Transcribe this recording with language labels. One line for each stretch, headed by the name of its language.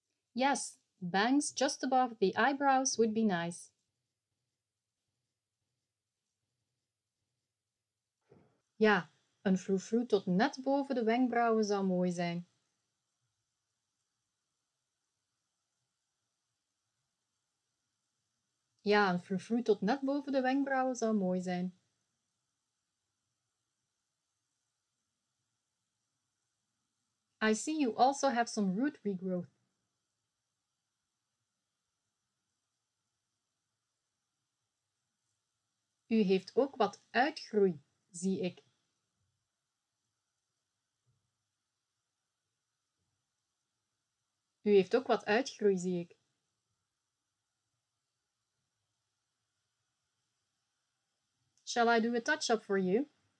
English: Yes, bangs just above the eyebrows would be nice.
Dutch: Ja, een frou-frou tot net boven de wenkbrauwen zou mooi zijn. Ja, een frou-frou tot net boven de wenkbrauwen zou mooi zijn.
English: I see you also have some root regrowth.
Dutch: U heeft ook wat uitgroei, zie ik. U heeft ook wat uitgroei, zie ik.
English: Shall I do a touch-up for you?